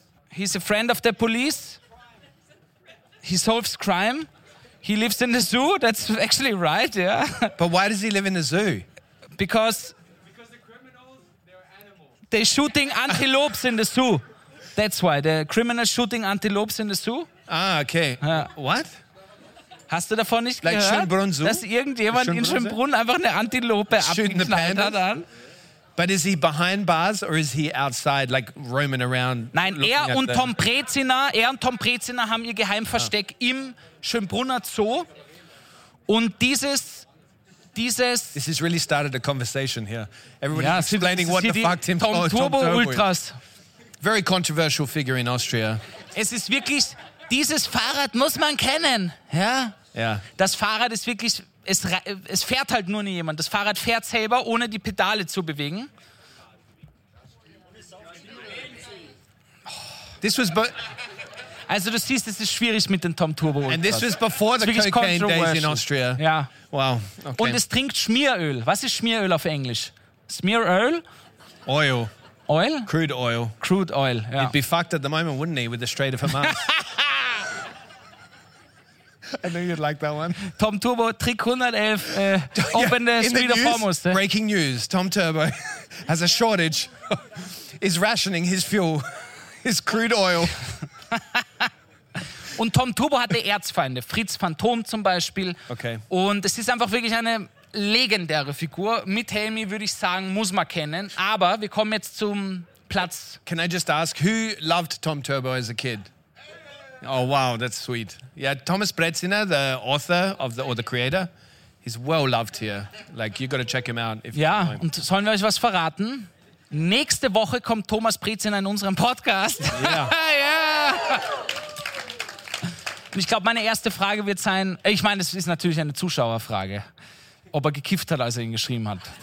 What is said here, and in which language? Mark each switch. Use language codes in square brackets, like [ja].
[en] He's a friend of the police. He solves crime. He lives in the zoo. That's actually right, yeah. But why does he live in the zoo? Because the criminals, they're animals. They're shooting antelopes in the zoo. That's why, the criminals shooting antelopes in the zoo. Ah, okay. [de] Ja. [en] What? [de] Hast du davon nicht [en] like [de] gehört, Schönbrunn Zoo? Dass irgendjemand in Schönbrunn einfach eine Antilope abgeknallt hat an? [en] But is he behind bars or is he outside, like roaming around? [de] Nein, er und Tom Prezina haben ihr Geheimversteck im Schönbrunner Zoo. Und dieses... [en] This has really started a conversation here. Everybody explaining what the fuck Tim... Tom Turbo Ultras. Very controversial figure in Austria. [de] Es ist wirklich, dieses Fahrrad muss man kennen, ja? Ja. Das Fahrrad ist wirklich, es fährt halt nur nie jemand. Das Fahrrad fährt selber, ohne die Pedale zu bewegen. [en] This was [de] also du siehst, es ist schwierig mit den Tom Turbo. [en] And this was before the cocaine days in Austria. [de] Ja. [en] Wow. [de] Okay. Und es trinkt Schmieröl. Was ist Schmieröl auf Englisch? Smearöl? [en] Oil. Oil? Crude oil. Crude oil, yeah. He'd be fucked at the moment, wouldn't he, with the Strait of Hormuz. I knew you'd like that one. Tom Turbo, Trick 111, open the Strait of Hormuz. Breaking news, Tom Turbo has a shortage, is rationing his fuel, his crude oil. [de] Und Tom Turbo hatte Erzfeinde, Fritz Phantom zum Beispiel. Okay. Und es ist einfach wirklich eine... legendäre Figur. Mit Helmy würde ich sagen, muss man kennen. Aber wir kommen jetzt zum Platz. [en] Can I just ask, who loved Tom Turbo as a kid? Oh, wow, that's sweet. Yeah, Thomas Brezina, the author of the, or the creator, he's well loved here. Like, you got to check him out. If [de] ja, und sollen wir euch was verraten? Nächste Woche kommt Thomas Brezina in unseren Podcast. [en] Yeah. Yeah. [de] Und ich glaube, meine erste Frage wird sein, ich meine, es ist natürlich eine Zuschauerfrage, ob er gekifft hat, als er ihn geschrieben hat.